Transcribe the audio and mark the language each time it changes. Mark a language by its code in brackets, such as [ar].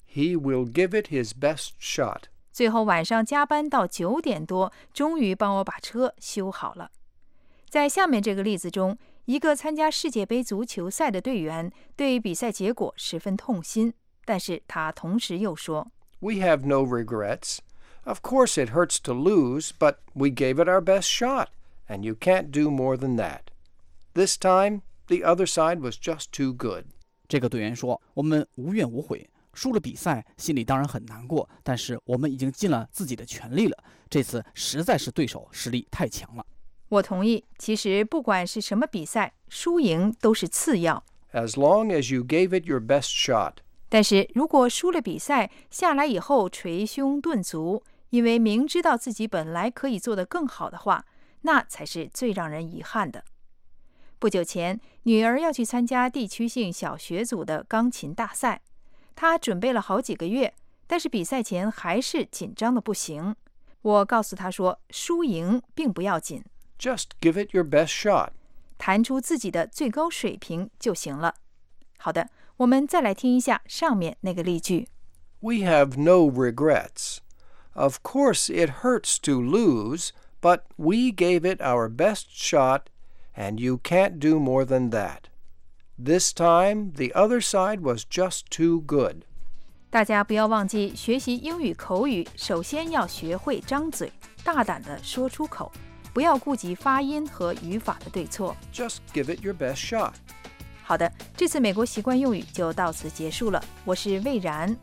[en] He will give it his best shot. [zh] 最后晚上加班到九点多，终于帮我把车修好了。在下面这个例子中，一个参加世界杯足球赛的队员对比赛结果十分痛心，但是他同时又说 [en] We have no regrets. Of course it hurts to lose, but we gave it our best shot, and you can't do more than that. This time, the other side was just too good. [zh] 这个队员说，我们无怨无悔，输了比赛心里当然很难过，但是我们已经尽了自己的全力了，这次实在是对手实力太强了。我同意，其实不管是什么比赛，输赢都是次要。 [en] As long as you gave it your best shot. [zh] 但是如果输了比赛，下来以后捶胸顿足，因为明知道自己本来可以做得更好的话，那才是最让人遗憾的。不久前，女儿要去参加地区性小学组的钢琴大赛，她准备了好几个月，但是比赛前还是紧张的不行。我告诉她说，输赢并不要紧。 [en] Just give it your best shot. [zh] 弹出自己的最高水平就行了。好的，我们再来听一下上面那个例句。 [en] We have no regrets. Of course it hurts to lose, but we gave it our best shot. And you can't do more than that. This time, the other side was just too good. [zh] 大家不要忘记，学习英语口语，首先要学会张嘴，大胆地说出口，不要顾及发音和语法的对错。 [en] Just give it your best shot. [zh] 好的，这次美国习惯用语就到此结束了。我是魏然。